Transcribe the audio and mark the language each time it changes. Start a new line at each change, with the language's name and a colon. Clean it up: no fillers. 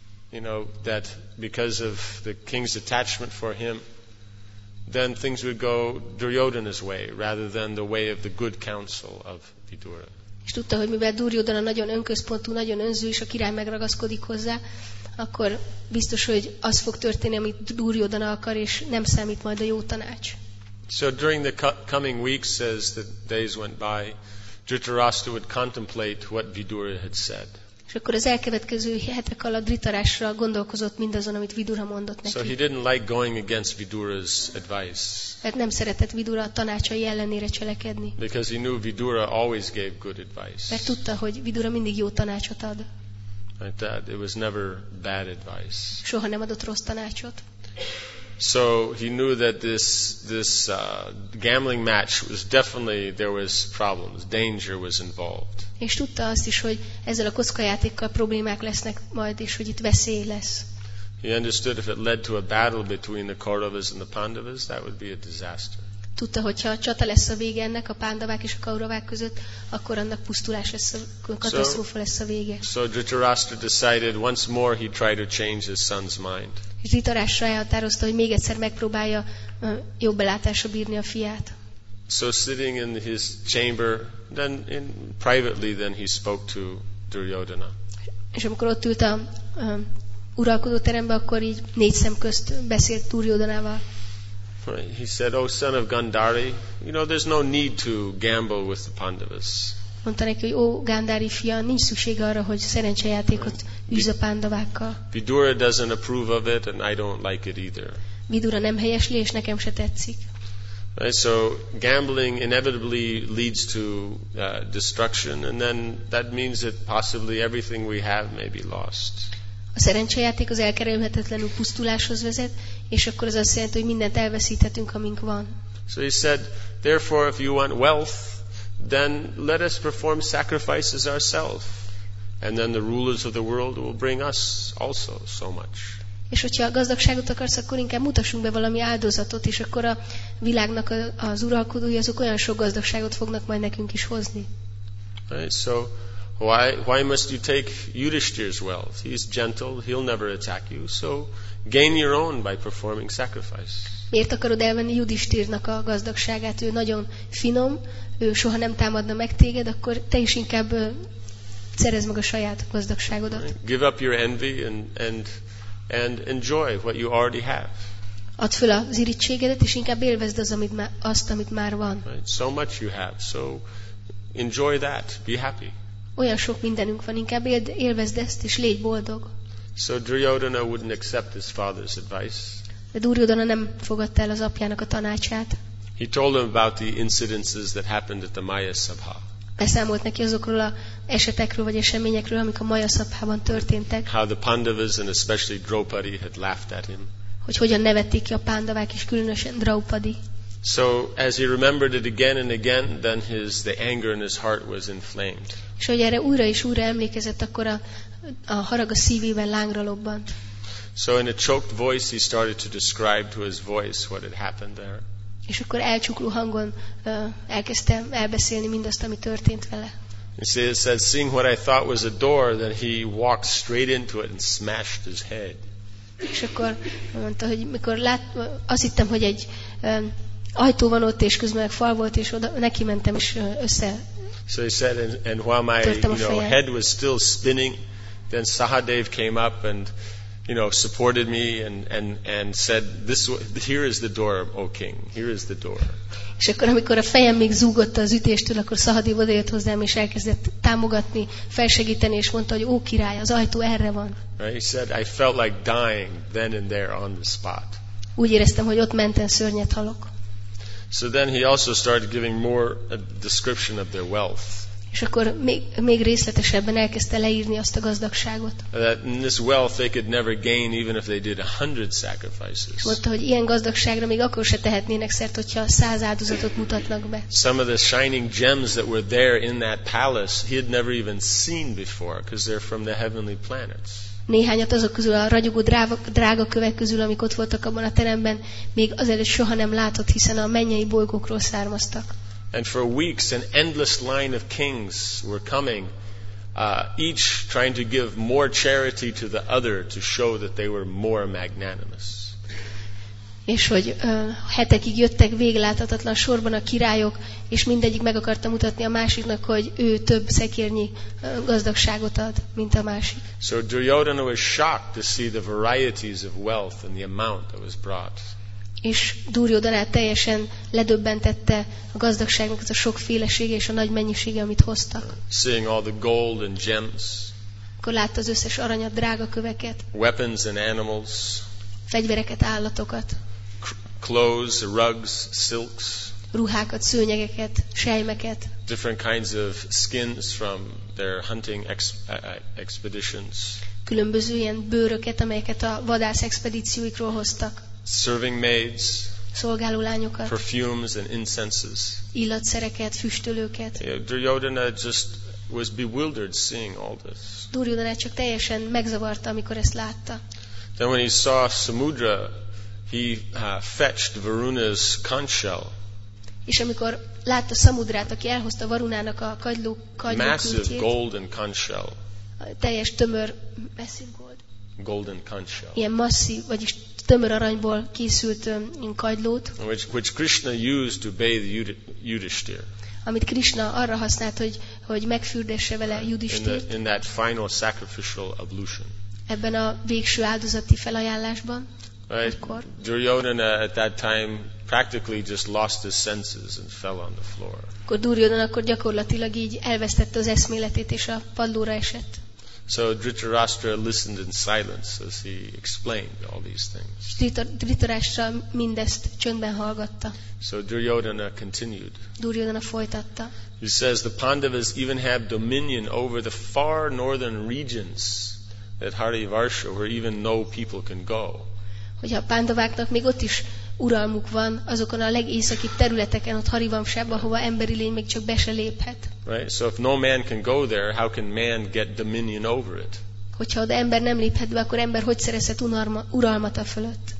English: You know that because of the king's attachment for him, then things would go Duryodhana's way rather than the way of the good counsel of Vidura.
Hungarian: És tudta, hogy mivel Duryodhana nagyon önközpontú, nagyon önző, és a király megragaszkodik hozzá, akkor biztos, hogy az fog történni, amit Duryodhana akar, és nem számít majd a jó tanács.
English: So during the coming weeks, as the days went by, Dhritarashtra would contemplate what Vidura had said.
Hungarian: És akkor az elkövetkező hetek alatt Dhritarashtra gondolkozott mindazon, amit Vidura mondott neki.
English: So he didn't like going against Vidura's advice.
Hungarian: Hát nem szeretett Vidura tanácsai ellenére cselekedni.
English: Because he knew Vidura always gave good advice.
Hungarian: Mert tudta, hogy Vidura mindig jó tanácsot ad.
English: Like that, it was never bad advice.
Hungarian: Soha nem adott rossz tanácsot.
English: So he knew that this gambling match was definitely, there was problems, danger was involved.
Hungarian: És tudta azt is, hogy ezzel a kockajátékkal problémák lesznek majd, és hogy itt veszély lesz.
English: He understood if it led to a battle between the Kauravas and the Pandavas, that would be a disaster.
Hungarian: Tudta, hogyha a csata lesz a vége ennek a Pándavák és a Kauravák között, akkor annak pusztulás lesz, katasztrófa lesz a vége.
English: So Dhritarashtra decided once more he tried to change his son's mind.
Hungarian: És Dhritarashtra elhatározta, hogy még egyszer megpróbálja jobb belátásra bírni a fiát.
English: So sitting in his chamber, then in privately, then he spoke to Duryodhana.
Hungarian: És amikor ott ült a uralkodó terembe, akkor így négy szem közt beszélt Duryodhanával.
English: He said, "Oh, son of Gandhari, you know there's no need to gamble with the Pandavas."
Hungarian: Mondta neki, hogy ó, Gandhari fia, nincs szüksége arra, hogy szerencsejátékot űzz a Pandavákkal.
English: Vidura doesn't approve of it, and I don't like it either.
Hungarian: Vidura nem helyesli, és nekem se tetszik.
English: Right, so gambling inevitably leads to destruction, and then that means that possibly everything we have may be lost.
Hungarian: A szerencsejáték az elkerülhetetlenül pusztuláshoz vezet, és akkor az azt jelenti, hogy mindent elveszíthetünk, amink van.
English: So he said, therefore, if you want wealth, then let us perform sacrifices ourselves, and then the rulers of the world will bring us also so much.
Hungarian: És hogyha a gazdagságot akarsz, akkor inkább mutassunk be valami áldozatot, és akkor a világnak az uralkodói azok olyan sok gazdagságot fognak majd nekünk is hozni.
English: Right, so why must you take Yudhishthira's wealth? He's gentle, he'll never attack you. So gain your own by performing sacrifice.
Hungarian: Miért akarod elvenni Yudhishthirnak a gazdagságát? Ő nagyon finom, ő soha nem támadna meg téged, akkor te is inkább szerezd meg a saját gazdagságodat.
English: Right. Give up your envy and enjoy what you already have.
Hungarian: Add fel az irigységedet, és inkább élvezd azt, amit már van.
English: Right. So much you have, so enjoy that, be happy.
Hungarian: Olyan sok mindenünk van, inkább élvezd ezt, és légy boldog.
English: So Duryodhana wouldn't accept his father's advice.
Hungarian: De Duryodhana nem fogadta el az apjának a tanácsát.
English: He told him about the incidences that happened at the Maya Sabha.
Hungarian: Beszámolt neki azokról az esetekről vagy eseményekről, amik a Maya Sabhában történtek.
English: How the Pandavas and especially Draupadi had laughed at him.
Hungarian: Hogy hogyan nevették ki a Pandavák és különösen Draupadi.
English: So as he remembered it again and again, then the anger in his heart was inflamed.
Hungarian: És hogy erre újra és újra emlékezett, akkor a harag a szívében lángra lobbant.
English: So in a choked voice he started to describe to his voice what had happened there.
Hungarian: És akkor elcsukló hangon elkezdte elbeszélni mindazt, ami történt vele.
English: He said, seeing what I thought was a door, then he walked straight into it and smashed his head.
Hungarian: És akkor mondta, hogy mikor azt hittem, hogy egy ajtó van ott, és közben meg fal volt, és oda neki mentem, és össze.
English: So he said, and while my head was still spinning, then Sahadev came up and supported me and said, here is the door, O king, here is the door.
Hungarian: És akkor, amikor a fejem még zúgott az ütéstől, akkor Sahadev odajött hozzám, és elkezdett támogatni, felsegíteni, és mondta, hogy ó király, az ajtó erre van.
English: Right? He said, I felt like dying then and there on the spot.
Hungarian: Úgy éreztem, hogy ott menten szörnyet halok.
English: So then he also started giving more a description of their wealth.
Hungarian: És akkor még részletesebben elkezdte leírni azt a gazdagságot.
English: That in this wealth they could never gain even if they did 100 sacrifices.
Hungarian: Mondta, hogy ilyen gazdagságra még akkor se tehetnének szert, hogyha 100 áldozatot mutatnak be.
English: Some of the shining gems that were there in that palace he had never even seen before because they're from the heavenly planets.
Hungarian: Néhányat azok közül, a ragyogó drága kövek közül, amik ott voltak abban a teremben, még azelőtt soha nem látott, hiszen a mennyei bolygókról származtak.
English: And for weeks an endless line of kings were coming, each trying to give more charity to the other to show that they were more magnanimous.
Hungarian: És hogy hetekig jöttek végláthatatlan sorban a királyok, és mindegyik meg akarta mutatni a másiknak, hogy ő több szekérnyi gazdagságot ad, mint a másik.
English: So Duryodhana was shocked to see the varieties of wealth and the amount that was brought.
Hungarian: És Duryodhana teljesen ledöbbentette a gazdagságnak az a sokfélesége és a nagy mennyisége, amit hoztak.
English: Seeing all the gold and gems.
Hungarian: Akkor látta az összes aranyat, drága köveket.
English: Weapons and animals.
Hungarian: Fegyvereket, állatokat.
English: Clothes, rugs, silks.
Hungarian: Ruhákat, szőnyegeket, sejmeket.
English: Different kinds of skins from their hunting expeditions.
Hungarian: Különböző ilyen bőröket, amelyeket a vadász expedícióikról hoztak.
English: Serving maids,
Hungarian: szolgáló lányokat,
English: perfumes and incenses,
Hungarian: illatszereket, füstölőket.
English: Yeah, Duryodhana just was bewildered seeing all this.
Hungarian: Duryodhana csak teljesen megzavarta, amikor ezt látta.
English: Then when he saw Samudra, he fetched Varuna's conch shell.
Hungarian: És amikor látta Samudrát, aki elhozta Varunának a kagyló
English: massive kültjét, golden conch shell.
Hungarian: Teljes tömör,
English: massive gold. Golden conch shell.
Hungarian: Ilyen masszív, vagyis tömör aranyból készült kagylót,
English: which Krishna used to bathe Yudhishthir.
Hungarian: Amit Krishna arra használt, hogy megfürdesse vele Yudhishthirt.
English: In that final sacrificial ablution.
Hungarian: Ebben a végső áldozati felajánlásban.
English: Right. Duryodhana at that time practically just lost his senses and fell on the floor.
Hungarian: Akkor Duryodhana akkor gyakorlatilag így elvesztette az eszméletét és a padlóra esett.
English: So Dhritarashtra listened in silence as he explained all these things.
Hungarian: Dhritarashtra mindezt csöndben hallgatta.
English: So Duryodhana continued.
Hungarian: Duryodhana folytatta.
English: He says the Pandavas even have dominion over the far northern regions at Harivarsha where even no people can go.
Hungarian: Hogy a Pandaváknak még ott is uralmuk van azokon a legészakibb területeken, ott Harivamsában, hova emberi lény még csak be se léphet.
English: Right, so if no man can go there, how can man get dominion over it?
Hungarian: Hogyha oda ember nem léphet be, akkor ember hogy szerezhet uralmat a fölött?